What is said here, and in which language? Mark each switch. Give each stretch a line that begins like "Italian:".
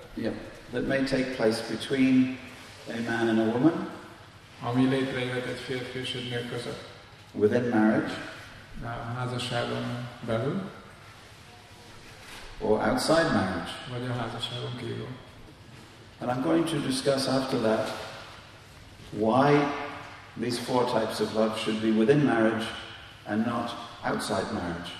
English: Yeah, that may take place between a man and a woman.
Hungarian: Ami létrejöhet egy férfi és egy nő között.
English: Within marriage.
Hungarian: A házasságon belül.
English: Or outside marriage.
Hungarian: Vagy a házasságon kívül.
English: And I'm going to discuss after that why these four types of love should be within marriage and not outside marriage.